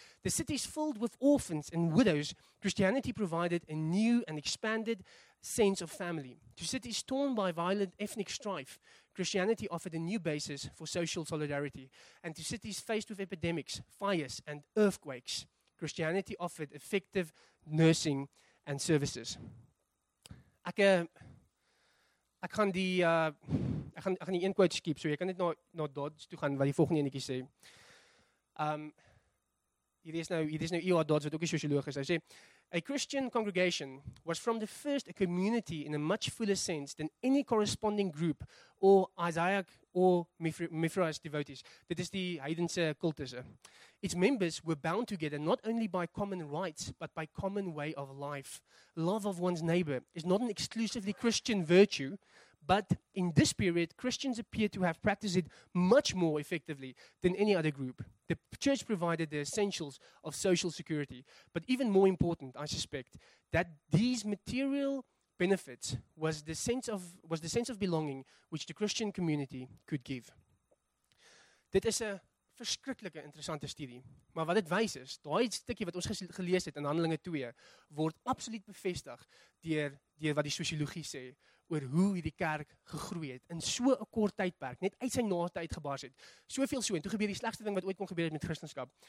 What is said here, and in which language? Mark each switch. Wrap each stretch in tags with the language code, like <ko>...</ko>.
<en>The cities filled with orphans and widows, Christianity provided a new and expanded sense of family. To cities torn by violent ethnic strife, Christianity offered a new basis for social solidarity. And to cities faced with epidemics, fires, and earthquakes, Christianity offered effective nursing and services.</en> <af>Ek gaan die een quote skiep, so jy kan net na Dodds toe gaan wat die volgende enetjie sê. Hier is nou Ewa Dodds wat ook 'n sosioloog is. Hy sê,</af> <en>a Christian congregation was from the first a community in a much fuller sense than any corresponding group or Isaac or Mithras devotees.</en> <af>Dit is die heidense kultusse.</af> <en>Its members were bound together not only by common rites, but by common way of life. Love of one's neighbor is not an exclusively Christian virtue, but in this period, Christians appear to have practiced it much more effectively than any other group. The church provided the essentials of social security, but even more important, I suspect, that these material benefits was the sense of belonging which the Christian community could give.</en> <af>Dit is 'n verskriklike interessante studie. Maar wat dit wys is, daai stukkie wat ons gelees het in Handelinge 2 word absoluut bevestig deur wat die sosiologie sê oor hoe hierdie kerk gegroei het in so 'n kort tydperk, net uit sy naaste uitgebars het. Soveel so en toe gebeur die slegste ding wat ooit kon gebeur het met Christendom.</af>